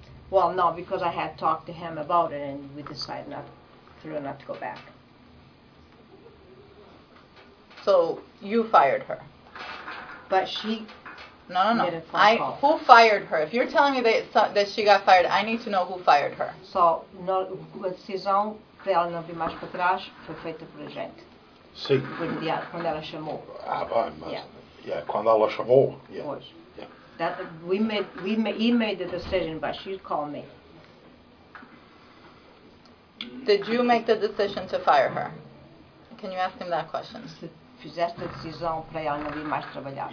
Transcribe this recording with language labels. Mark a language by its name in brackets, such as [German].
[English] Well, no, because I had talked to him about it and we decided not to go back. So you fired her? But she... No. Who fired her? If you're telling me that she got fired, I need to know who fired her. So, no, [Portuguese] decisão para ela não vir mais para trás foi feita por a gente. Sim. Quando ela chamou. Ah, bem, mas... Yeah, quando ela chamou. Yeah. Pois. Yeah. [English] He made the decision, but she called me. Did you make the decision to fire her? Can you ask him that question? [Portuguese] Fizeste a decisão para ela não vir mais trabalhar.